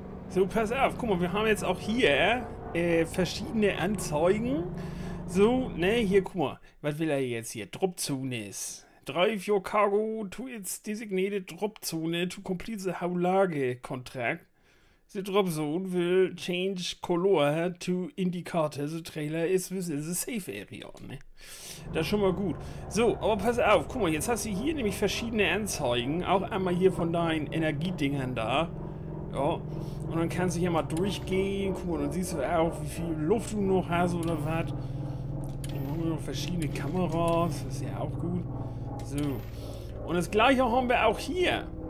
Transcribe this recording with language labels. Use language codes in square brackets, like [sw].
[de] So, pass auf, guck mal, wir haben jetzt auch hier verschiedene Anzeigen. So, ne, hier, guck mal, was will er jetzt hier? Dropzone ist. [en] Drive your cargo to its designated Dropzone to complete the Haulage contract. The Dropzone will change color to indicate the trailer is within the safe area, ne? [de] Das ist schon mal gut. So, aber pass auf, guck mal, jetzt hast du hier nämlich verschiedene Anzeigen. Auch einmal hier von deinen Energiedingern da. Ja, und dann kannst du hier mal durchgehen, guck mal, dann siehst du auch, wie viel Luft du noch hast oder was. Dann haben wir noch verschiedene Kameras, ist ja auch gut. So, und das gleiche haben wir auch hier.